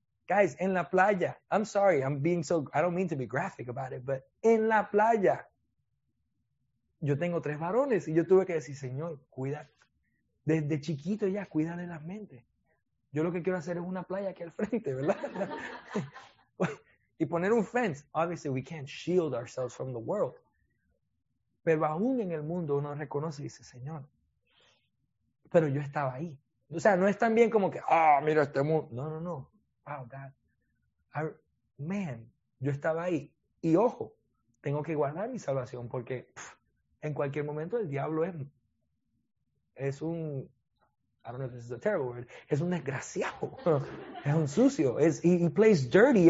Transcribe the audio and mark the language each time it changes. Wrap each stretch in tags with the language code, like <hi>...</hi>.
<es>Guys, en la playa,</es> <en>I'm sorry, I'm being so, I don't mean to be graphic about it, but</en> <es>en la playa, yo tengo tres varones y yo tuve que decir, Señor, cuídate. Desde chiquito ya, cuídale las mentes. Yo lo que quiero hacer es una playa aquí al frente, ¿verdad? Y poner un fence.</es> <en>Obviously, we can't shield ourselves from the world.</en> <es>Pero aún en el mundo uno reconoce y dice, Señor, pero yo estaba ahí. O sea, no es tan bien como que, ah, oh, mira este mundo. No, no, no.</es> <en>Wow, God.</en> <es>Man, yo estaba ahí. Y ojo, tengo que guardar mi salvación porque en cualquier momento el diablo es un,</es> <en>I don't know if this is a terrible word,</en> <es>es un desgraciado, es un sucio,</es> <en>he plays dirty.</en>